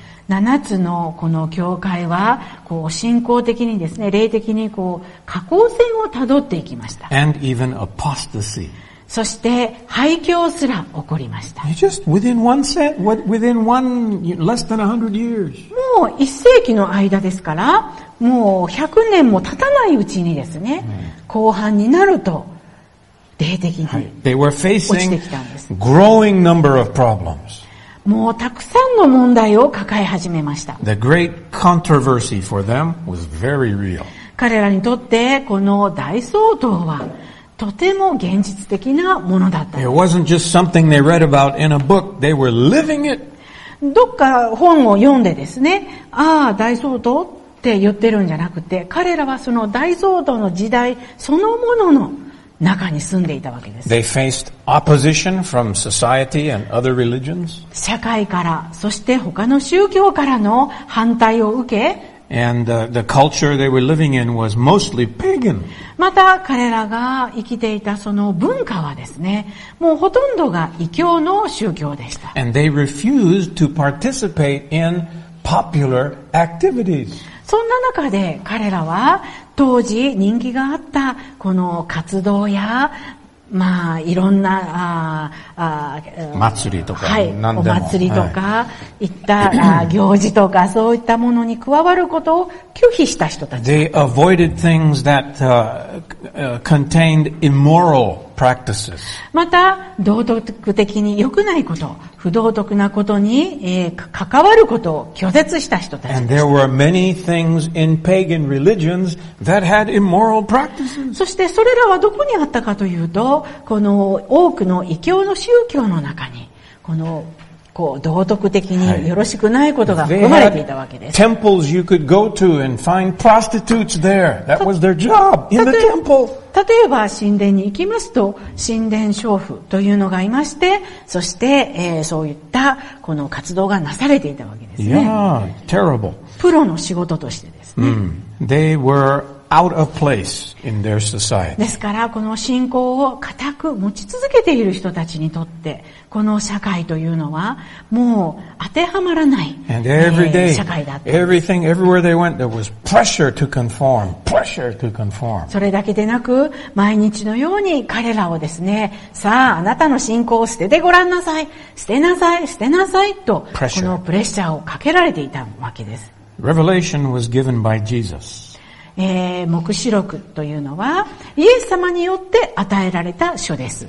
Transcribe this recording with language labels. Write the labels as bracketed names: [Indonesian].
[Japanese] 七つのこの教会は、こう、信仰的にですね、霊的にこう、下降線をたどっていきました。 [English] And even apostasy. [Japanese] そして廃墟すら起こりました。 [English] Just within one set, within one, less than 100 years. [Japanese] もう一世紀の間ですから、もう100年も経たないうちにですね、後半になると霊的に落ちてきたんです。 [English] They were facing growing number of problems. [Japanese] もうたくさんの問題を抱え始めました。 [English] The great controversy for them was very real. [Japanese] 彼らにとってこの大騒動はとても現実的なものだった。 [English] It wasn't just something they read about in a book. They were living it. [Japanese] どっか本を読んでですね、ああ大騒動って言ってるんじゃなくて、彼らはその大騒動の時代そのものの中に住んでいたわけです。 [English] They faced opposition from society and other religions. [Japanese] 社会から、そして他の宗教からの反対を受け、 [English] And the culture they were living in was mostly pagan. [Japanese] また彼らが生きていたその文化はですね、もうほとんどが異教の宗教でした。 [English] And they refused to participate in popular activities. [Japanese] そんな中で彼らは当時人気があったこの活動や、まあいろんな祭りとか、はい、何でもお祭りとか、はい、いった行事とかそういったものに加わることを拒否した人たち。 [English] They avoided things that contained immoral practices. [Japanese] また道徳的に良くないこと、不道徳なことに、関わることを拒絶した人たち。 [English] And there were many things in pagan religions that had immoral practices. [Japanese] そしてそれらはどこにあったかというと、この多くの異教の宗教の中に、この、こう、道徳的によろしくないことが含まれていたわけです。 [English] Temples you could go to and find prostitutes there. That was their job in the temple. [Japanese] 例えば神殿に行きますと、神殿娼婦というのがいまして、そして、そういったこの活動がなされていたわけですね。 [English] Yeah, terrible. [Japanese] プロの仕事としてですね。 Mm. [English] They were out of place in their society. [Japanese] ですから、この信仰を固く持ち続けている人たちにとって、この社会というのはもう当てはまらない、 [English] day, [Japanese] 社会だった。 [English] Everything, everywhere they went, there was pressure to conform, pressure to conform. [Japanese] それだけでなく、毎日のように彼らをですね、さあ、あなたの信仰を捨ててごらんなさい、捨てなさい、捨てなさいと、このプレッシャーをかけられていたわけです。 [English] Revelation was given by Jesus. [Japanese] 黙示録というのは、イエス様によって与えられた書です。